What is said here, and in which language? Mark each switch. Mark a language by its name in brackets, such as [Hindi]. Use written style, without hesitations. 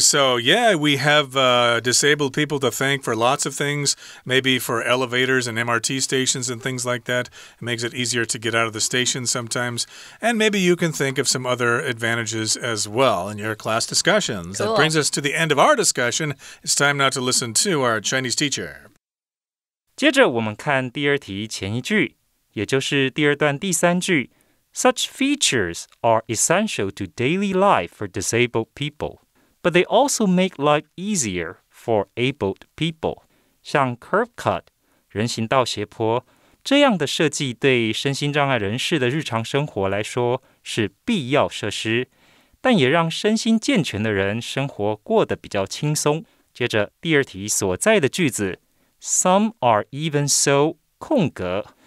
[English] So, yeah, we have disabled people to thank for lots of things, maybe for elevators and MRT stations and things like that. It makes it easier to get out of the station sometimes. And maybe you can think of some other advantages as well in your class to discussions. Cool. That brings us to the end of our discussion. It's time now to listen to our Chinese teacher. [Chinese] 接着我们看第二题前一句，也就是第二段第三句。 [English] Such features are essential to daily life for disabled people, but they also make life easier for abled people. [Chinese] 像 curb cut, 人行道斜坡，这样的设计对身心障碍人士的日常生活来说是必要设施。但也让身心健全的人生活过得比较轻松。接着第二题所在的句子 ， [English] some are even so [Chinese] 空格